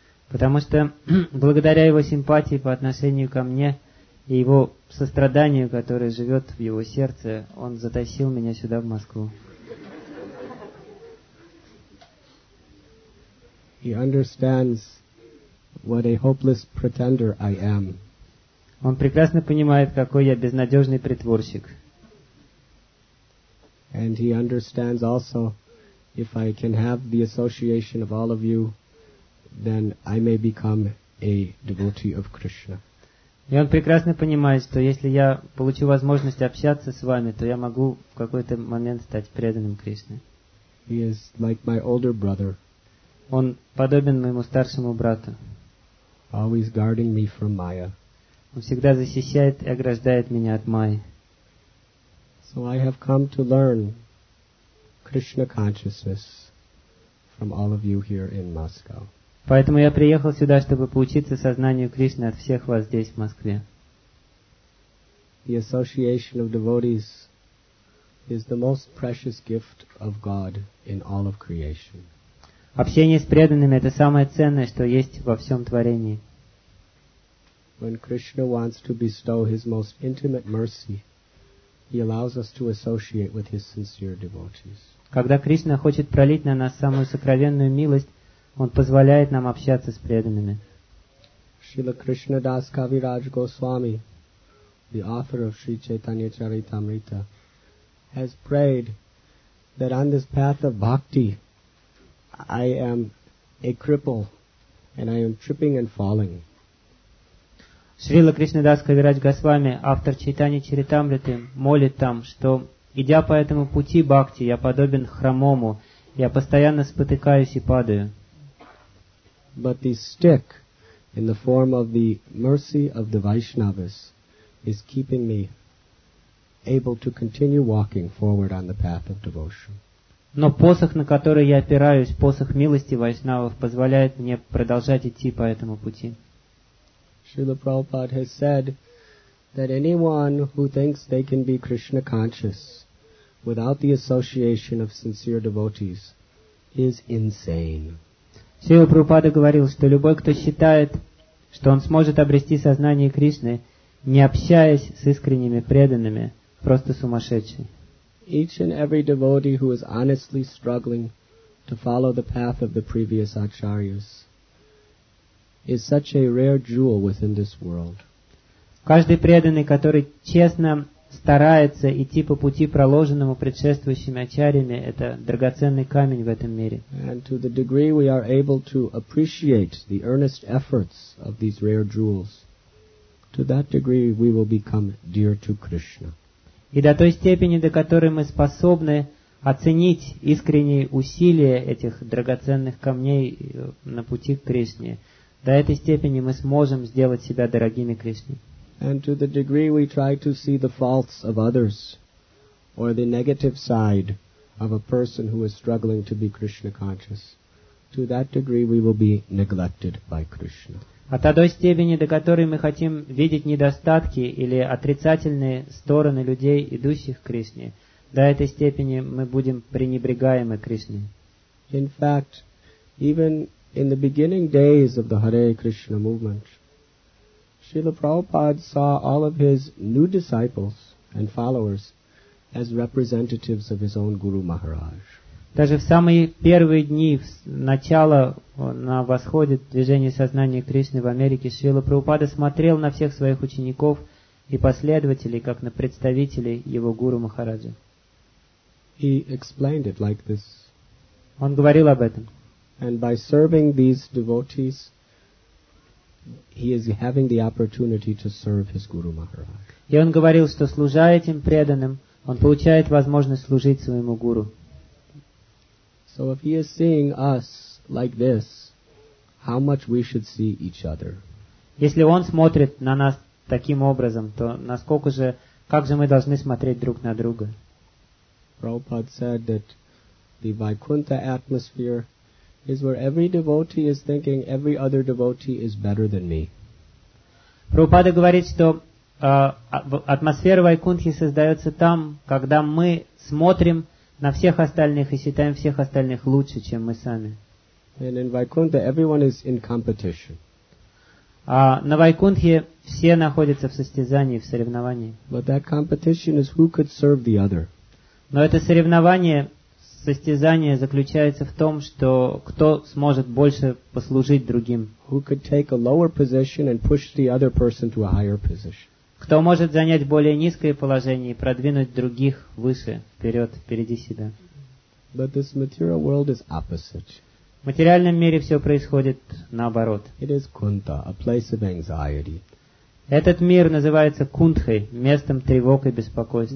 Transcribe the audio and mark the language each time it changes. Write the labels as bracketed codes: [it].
[ru] Потому что благодаря Его симпатии по отношению ко мне И его сострадание, которое живет в его сердце, он затащил меня сюда, в Москву. [en] He understands what a hopeless pretender I am. [ru] Он прекрасно понимает, какой я безнадежный притворщик. [en] And he understands also, if I can have the association of all of you, then I may become a devotee of Krishna. [ru] И он прекрасно понимает, что если я получу возможность общаться с вами, то я могу в какой-то момент стать преданным Кришне. [en] He is like my older brother. [ru] Он подобен моему старшему брату. [en] Always guarding me from Maya. [ru] Он всегда защищает и ограждает меня от Майи. [en] So I have come to learn Krishna consciousness from all of you here in Moscow. [ru] Поэтому я приехал сюда, чтобы поучиться сознанию Кришны от всех вас здесь, в Москве. [en] The association of devotees is the most precious gift of God in all of creation. [ru] Общение с преданными — это самое ценное, что есть во всем творении. [en] When Krishna wants to bestow his most intimate mercy, he allows us to associate with his sincere devotees. [ru] Когда Кришна хочет пролить на нас самую сокровенную милость, Он позволяет нам общаться с преданными. [en] Шрила Кришна Дас Кавирадж Госвами, the author of Sri Chaitanya Charitamrita, has prayed that on this path of bhakti, I am a cripple and I am tripping and falling. [ru] Шрила Кришна Дас Кавирадж Госвами, автор Чайтани Чаритамриты, молит там, что, идя по этому пути бхакти, я подобен хромому, я постоянно спотыкаюсь и падаю. [en] But the stick, in the form of the mercy of the Vaishnavas, is keeping me able to continue walking forward on the path of devotion. [ru] Но посох, на который я опираюсь, посох милости Вайшнавов, позволяет мне продолжать идти по этому пути. [en] Srila Prabhupada has said that anyone who thinks they can be Krishna conscious without the association of sincere devotees is insane. [ru] Шрила Прабхупада говорил, что любой, кто считает, что он сможет обрести сознание Кришны, не общаясь с искренними преданными, просто сумасшедший. [en] Each and every devotee who is honestly struggling to follow the path of the previous acharyas is such a rare jewel within this world. [ru] Каждый преданный, который честно старается идти по пути, проложенному предшествующими ачарьями, это драгоценный камень в этом мире. [en] And to the degree we are able to appreciate the earnest efforts of these rare jewels, to that degree we will become dear to Krishna. [ru] И до той степени, до которой мы способны оценить искренние усилия этих драгоценных камней на пути к Кришне, до этой степени мы сможем сделать себя дорогими Кришне. [en] And to the degree we try to see the faults of others or the negative side of a person who is struggling to be Krishna conscious, to that degree we will be neglected by Krishna. [ru] От той степени, до которой мы хотим видеть недостатки или отрицательные стороны людей, идущих к Кришне, до этой степени мы будем пренебрегаемы Кришной. [en] In fact, even in the beginning days of the Hare Krishna movement, Srila Prabhupada saw all of his new disciples and followers as representatives of his own Guru Maharaj. [ru] Даже в самые первые дни, в начало на восходе движения сознания Кришны в Америке, Шрила Прабхупада смотрел на всех своих учеников и последователей, как на представителей его Гуру Махараджа. [en] He explained it like this. [ru] Он говорил об этом. [en] And by serving these devotees, He is having the opportunity to serve his Guru Maharaj. [ru] И он говорил, что служа этим преданным, он получает возможность служить своему гуру. [en] So if he is seeing us like this, how much we should see each other. [ru] Если он смотрит на нас таким образом, то насколько же, как же мы должны смотреть друг на друга? [en] Prabhupada said that the Vaikuntha atmosphere is where every devotee is thinking every other devotee is better than me. [ru] Prabhupada говорит, что атмосфера Вайкунтхи создается там, когда мы смотрим на всех остальных и считаем всех остальных лучше, чем мы сами. [en] And in Vaikuntha, everyone is in competition. [ru] А на Вайкунтхе все находятся в состязании, в соревновании. [en] But that competition is who could serve the other. [ru] Но это соревнование, состязание заключается в том, что кто сможет больше послужить другим. [en] Who could take a lower position and push the other person to a higher position. [ru] Кто может занять более низкое положение и продвинуть других выше, вперед, впереди себя. [en] But this material world is opposite. [ru] В материальном мире все происходит наоборот. [en] It is Kunta, a place of anxiety. [ru] Этот мир называется Кунтхой, местом тревог и беспокойств.